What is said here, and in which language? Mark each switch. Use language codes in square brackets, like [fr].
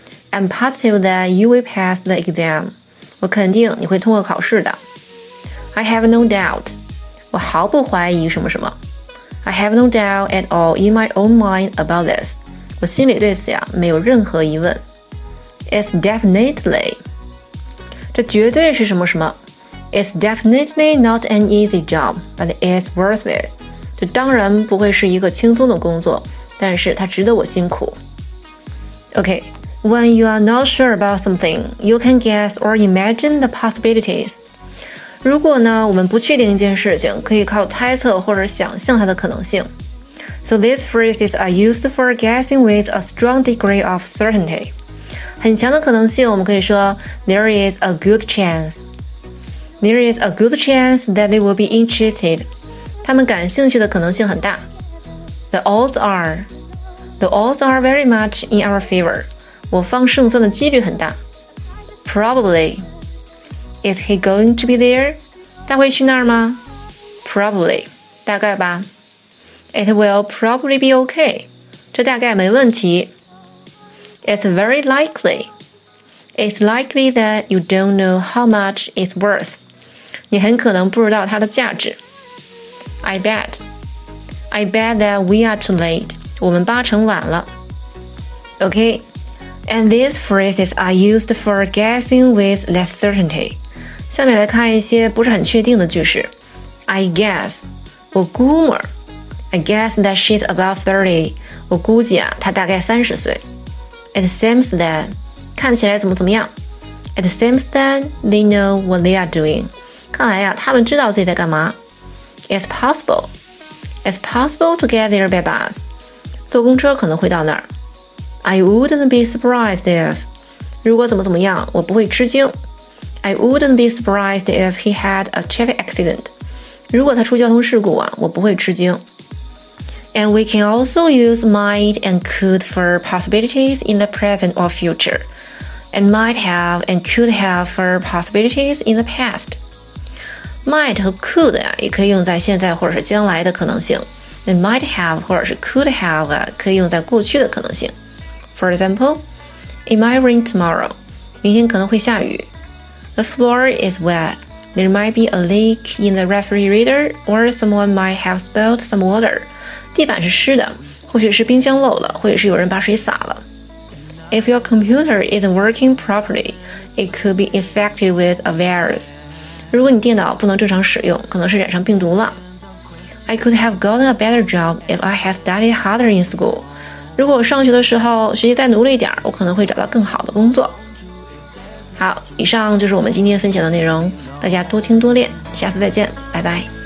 [en] I'm positive that you will pass the exam. [zh] 我肯定你会通过考试的。 [en] I have no doubt. [zh] 我毫不怀疑什么什么。 [en] I have no doubt at all in my own mind about this. [zh] 我心里对此呀没有任何疑问。 [en] It's definitely. [zh] 这绝对是什么什么。 [en] It's definitely not an easy job, but it's worth it. [zh] 这当然不会是一个轻松的工作，但是它值得我辛苦。 [en] Okay. When you are not sure about something, you can guess or imagine the possibilities. [zh] 如果呢，我们不确定一件事情，可以靠猜测或者想象它的可能性。 [en] So these phrases are used for guessing with a strong degree of certainty. [zh] 很强的可能性，我们可以说 [en] There is a good chance. There is a good chance that they will be interested. [zh] 他们感兴趣的可能性很大。 [en] The odds are very much in our favor. [zh] 我方胜算的几率很大。 [en] Probably. Is he going to be there? [zh] 他会去那儿吗？ [en] Probably. [zh] 大概吧。 [en] It will probably be okay. [zh] 这大概没问题。 [en] It's very likely. It's likely that you don't know how much it's worth. [zh] 你很可能不知道它的价值。 [en] I bet. I bet that we are too late. [zh] 我们八成晚了。 [en] Okay. And these phrases are used for guessing with less certainty. [zh] 下面来看一些不是很确定的句式。 [en] I guess, [zh] 我估摸。 [en] I guess that she's about 30. [zh] 我估计啊，她大概三十岁。 [en] It seems that, [zh] 看起来怎么怎么样。 [en] It seems that they know what they are doing. [zh] 看来啊，他们知道自己在干嘛。 [en] It's possible. It's possible to get there by bus. [zh] 坐公车可能会到那儿。 [en] I wouldn't be surprised if [zh] 如果怎么怎么样，我不会吃惊。 [en] I wouldn't be surprised if he had a traffic accident [zh] 如果他出交通事故啊，我不会吃惊。 [en] And we can also use might and could for possibilities in the present or future and might have and could have for possibilities in the past. [zh] Might 和 could 啊，也可以用在现在或者是将来的可能性。 [en] And might have [zh] 或者是 could have 啊，可以用在过去的可能性。 [en] For example, it might rain tomorrow. [zh] 明天可能会下雨。 [en] The floor is wet. There might be a leak in the refrigerator or someone might have spilled some water. [zh] 地板是湿的，或许是冰箱漏了，或许是有人把水洒了。 [en] If your computer isn't working properly, it could be infected with a virus. [zh] 如果你电脑不能正常使用，可能是染上病毒了。 [en] I could have gotten a better job if I had studied harder in school. [zh] 如果我上学的时候学习再努力一点，我可能会找到更好的工作。好，以上就是我们今天分享的内容，大家多听多练，下次再见，拜拜。